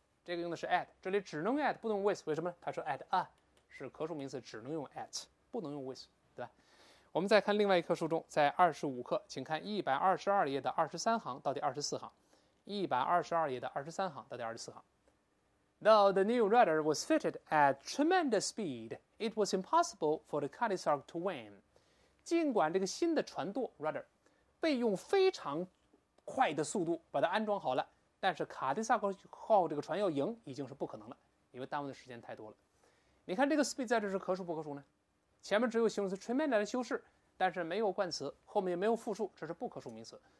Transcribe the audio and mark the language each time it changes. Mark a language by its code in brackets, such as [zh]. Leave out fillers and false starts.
[zh] 这个用的是 at， 这里只能 at， 不能 with。为什么？他说 at a 是可数名词，只能用 at， 不能用 with， 对吧？我们再看另外一课书中，在25课，请看122页的23行到第24行，122页的23行到第24行。 [en] Though the new rudder was fitted at tremendous speed, it was impossible for the Cadillac to win。 [zh] 尽管这个新的船舵 rudder 被用非常快的速度把它安装好了，但是卡迪萨克号这个船要赢已经是不可能了，因为耽误的时间太多了。你看这个 speed 在这是可数不可数呢？前面只有形容词 tremendous 的修饰，但是没有冠词，后面也没有复数，这是不可数名词。